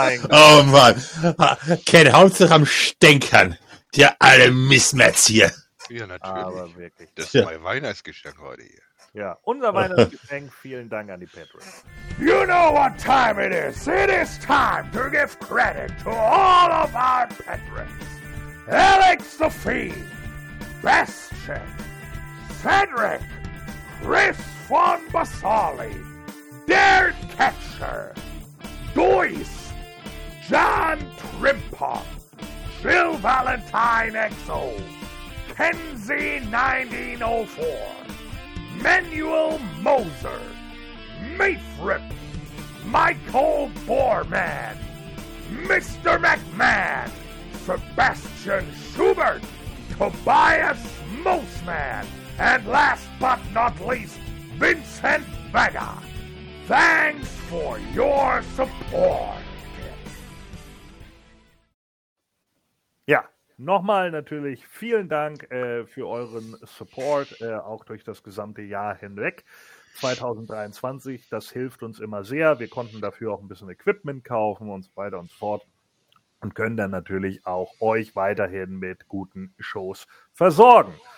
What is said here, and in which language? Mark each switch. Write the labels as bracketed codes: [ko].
[de] Oh Mann. Ken, Hauptsache am Stänkern. Der alle Missmatz hier. Ja, natürlich. Aber wirklich. Das ist mein Weihnachtsgeschenk heute hier. Ja, unser Weihnachtsgeschenk. Vielen Dank an die Patrons. [en] You know what time it is. It is time to give credit to all of our Patrons. Alex the Fiend. Bastion. Cedric. Chris von Basali, Dare Catcher, Deuce, John Trimpa, Jill Valentine XO, Kenzie 1904, Manuel Moser, Mayfrip, Michael Boorman, Mr. McMahon, Sebastian Schubert, Tobias Mosman, and last but not least, Vincent Vega. Thanks for your support. [de] Ja, nochmal natürlich vielen Dank für euren Support, auch durch das gesamte Jahr hinweg. 2023, das hilft uns immer sehr. Wir konnten dafür auch ein bisschen Equipment kaufen und so weiter und so fort. Und können dann natürlich auch euch weiterhin mit guten Shows versorgen.